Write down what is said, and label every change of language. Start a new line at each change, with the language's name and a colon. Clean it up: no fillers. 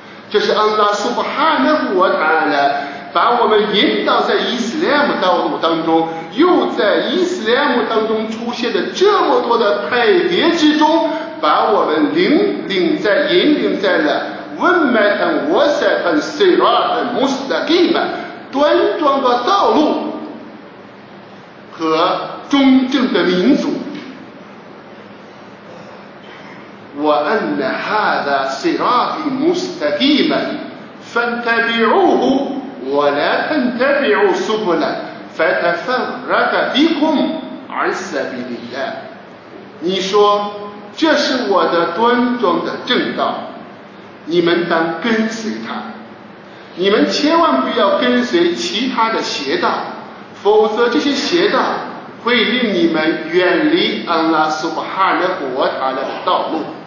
Chinese: 这是安拉苏布哈纳胡瓦塔阿拉把我们引导在伊斯兰道路当中，又在伊斯兰当中出现的这么多的派别之中，把我们引领在了温麦坦沃塞坦塞拉坦穆斯达基曼端庄的道路和忠正的民族。
Arabic: وأن هذا صراط مستقيما فاتبعوه ولا تتبعوا سبلا فتفرق بكم عن سبيل الله.
Chinese: 你说这是我的端庄的正道，你们当跟随他，你们千万不要跟随其他的邪道，否则这些邪道会令你们远离安拉苏布哈纳胡瓦塔阿拉的道路。